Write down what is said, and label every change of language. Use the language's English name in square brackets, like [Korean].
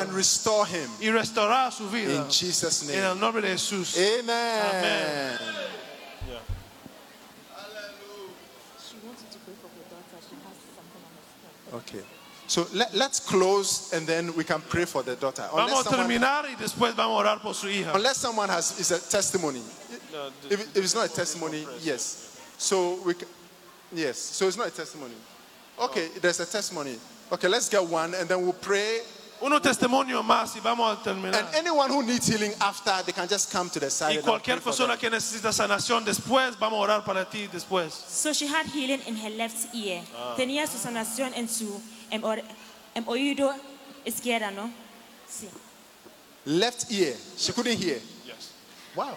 [English] And restore him. [Spanish] Y restaurar su vida. [English] In Jesus' name. [Spanish] En el nombre de Jesús. [English] Amen. Amen. Okay. So let's close and then we can pray for the daughter. Unless [Spanish] vamos a terminar y después vamos a orar por su hija. [English] Unless someone has is a testimony. No, if it's not a testimony, yes. So it's not a testimony. Okay, oh. There's a testimony. Okay, let's get one and then we'll pray. [Spanish] Uno testimonio más y vamos a terminar. [English] And anyone who needs healing after, they can just come to the side. [Spanish] Y cualquier persona que necesita sanación después, vamos a orar para ti después. [English] So she had healing in her left ear. [Spanish] Tenía su sanación en su oído izquierdo, ¿no? Sí. [English] Left ear. She couldn't hear. Yes. Wow.